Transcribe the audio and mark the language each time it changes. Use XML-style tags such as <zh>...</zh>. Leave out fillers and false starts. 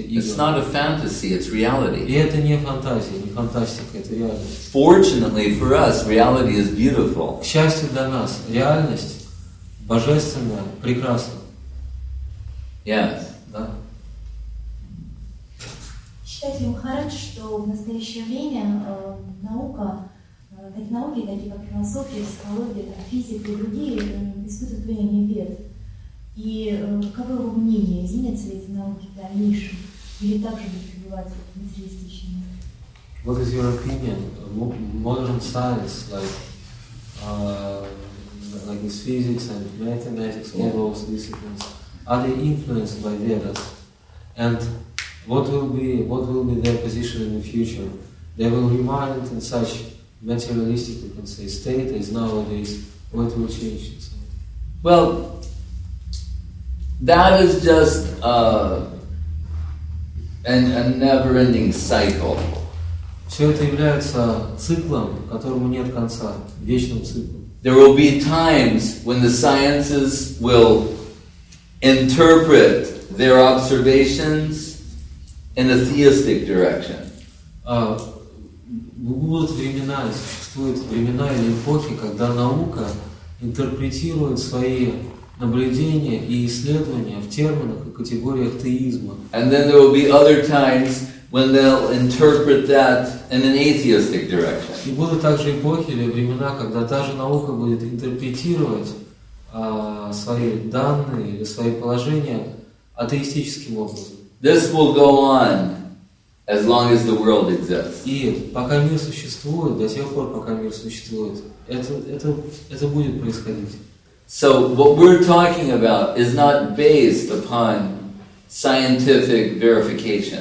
<en>It's not a fantasy, it's reality.</en> <ru>И это не фантазия, не фантастика, это реальность.</ru> <en>Fortunately for us, reality is beautiful.</en> <ru>К счастью для нас, реальность божественная, прекрасна.</ru> <en>Yes.</en> <ru>Да. Считаете, Махарадж, что в настоящее время наука, технологии, такие как философия, психология, физика и другие, испытывают влияние вед? И каково его мнение, изменятся ли эти науки в дальнейшем? Или также будут пребывать материалистичными?</ru> <en>What is your opinion? Modern science, like this physics and mathematics, all those disciplines, are they influenced by Vedas? And what will be their position in the future? They will remain in such materialistic, you can say, state as nowadays. What will change? Well, that is just a never-ending cycle.</en> <ru>Все это является циклом, которому нет конца, вечным циклом.</ru> <en>There will be times when the sciences will interpret their observations in a theistic direction.</en> <ru>Будут времена, существуют времена или эпохи, когда наука интерпретирует свои наблюдения и исследования в терминах и категориях теизма.</ru> <en>And then there will be other times when they'll interpret that in an atheistic direction.</en> <ru>И будут также эпохи или времена, когда та же наука будет интерпретировать свои данные или свои положения атеистическим образом.</ru> <en>This will go on as long as the world exists.</en> <ru>И пока мир существует, до тех пор, пока мир существует, это будет происходить.</ru> <en>So what we're talking about is not based upon scientific verification.</en>